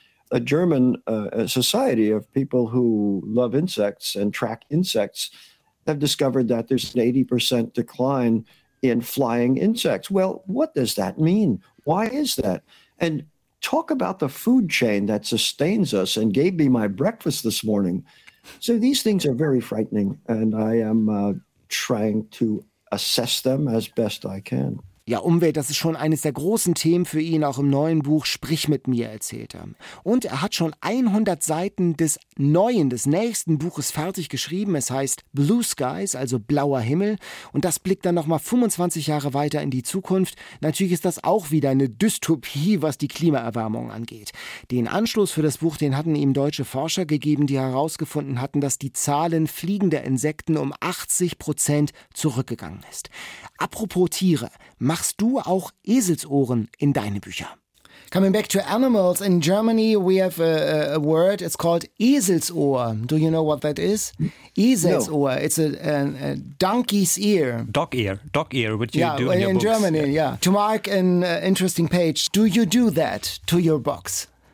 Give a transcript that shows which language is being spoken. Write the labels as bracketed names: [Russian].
[English] A German society of people who love insects and track insects have discovered that there's an 80% decline in flying insects. Well, what does that mean? Why is that? And talk about the food chain that sustains us and gave me my breakfast this morning. So these things are very frightening, and I am trying to assess them as best I can. [German] Ja, Umwelt, das ist schon eines der großen Themen für ihn, auch im neuen Buch Sprich mit mir, erzählt er. Und er hat schon 100 Seiten des neuen, des nächsten Buches fertig geschrieben. Es heißt Blue Skies, also blauer Himmel. Und das blickt dann nochmal 25 Jahre weiter in die Zukunft. Natürlich ist das auch wieder eine Dystopie, was die Klimaerwärmung angeht. Den Anschluss für das Buch, den hatten ihm deutsche Forscher gegeben, die herausgefunden hatten, dass die Zahlen fliegender Insekten um 80% zurückgegangen ist. Apropos Tiere. Machst du auch Eselsohren in deine Bücher? [English] Coming back to animals, in Germany we have a word, it's called Eselsohr. Do you know what that is? Eselsohr, no. It's a donkey's ear. Dog ear, which you do in your books. In Germany, yeah. To mark an interesting page, do you do that to your books?